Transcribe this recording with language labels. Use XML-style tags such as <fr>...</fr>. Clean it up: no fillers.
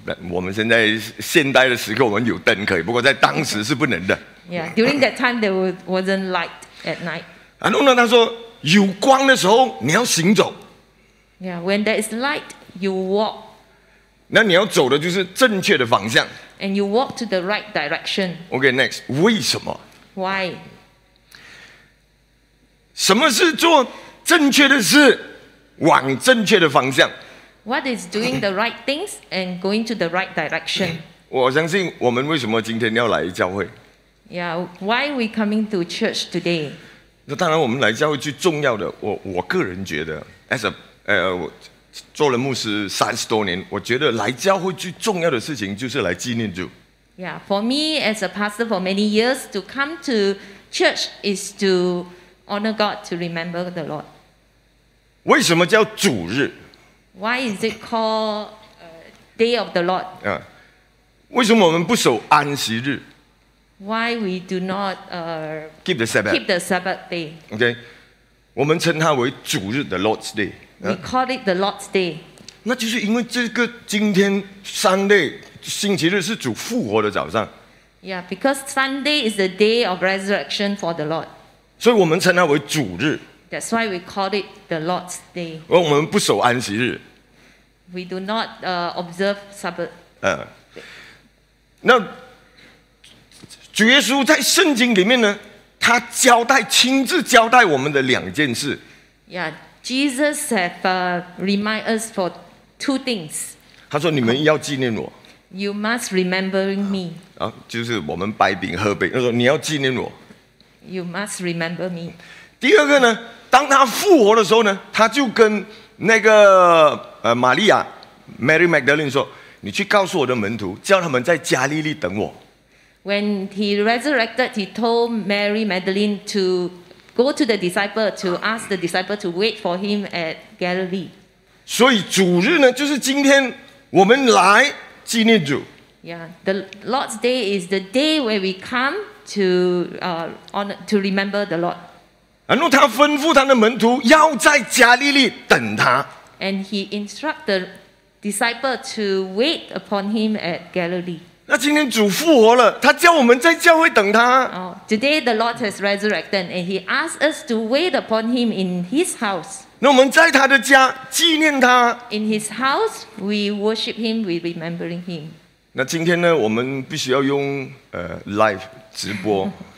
<zh>我们现在现代的时刻，我们有灯可以，不过在当时是不能的。</zh> <en>Yeah, during that time there wasn't light at night.</en> <zh>然后呢，他说有光的时候你要行走。</zh> <en>Yeah, when there is light, you walk.</en> <zh>那你要走的就是正确的方向。</zh> <en>And you walk to the right direction. Okay, next,</en> <zh>为什么</zh> <en>？Why?</en> <zh>什么是做正确的事，往正确的方向？</zh> <en>What is doing the right things and going to the right direction?</en> <zh>我相信我们为什么今天要来教会</zh> <en>？Yeah, why we coming to church today?</en> <zh>那当然，我们来教会最重要的，我个人觉得 ，</zh> <en>as a</en> <zh>做了牧师三十多年，我觉得来教会最重要的事情就是来纪念主。</zh> <en>Yeah, for me as a pastor for many years to come to church is to honor God to remember the Lord.</en> <zh>为什么叫主日？</zh> <en>Why is it called Day of the Lord?</en> <zh>为什么我们不守安息日</zh> <en>？Why we do not keep the Sabbath? Keep the Sabbath day.</en> <zh>Okay, 我们称它为主日 ，</zh> <en>the Lord's day. We call it the Lord's day.</en> <zh>那就是因为这个今天 Sunday 星期日是主复活的早上。</zh> <en>Yeah, because Sunday is the day of resurrection for the Lord.</en> <zh>所以我们称它为主日。</zh> <en>That's why we call it the Lord's Day.</en> <zh>我们不守安息日。</zh> <en>We do not observe Sabbath.</en> <zh>那主耶稣在圣经里面呢，他交代亲自交代我们的两件事。</zh> <en>Yeah, Jesus have remind us for two things.</en> <zh>他说你们要纪念我。</zh> <en>You must remember me.</en> <zh>就是我们掰饼喝杯，他说你要纪念我。</zh> <en>You must remember me.</en> <zh>第二个呢？当他复活的时候呢，他就跟那个玛利亚 Mary Magdalene 说：“你去告诉我的门徒，叫他们在加利利等我。”</zh> <en>When he resurrected, he told Mary Magdalene to go to the disciple to ask the disciple to wait for him at Galilee.</en> <zh>所以主日呢，就是今天我们来纪念主。</zh> <en>Yeah, the Lord's Day is the day where we come to to remember the Lord.</en> <zh>然后他吩咐他的门徒要在加利利等他。</zh> <en>And he instructed the disciple to wait upon him at Galilee.</en> <zh>那今天主复活了，他叫我们在教会等他。</zh> <en>Today the Lord has resurrected and he asked us to wait upon him in his house.</en> <zh>那我们在他的家纪念他。</zh> <en>In his house we worship him, we remembering him.</en> <zh>那今天呢，我们必须要用live 直播。</zh>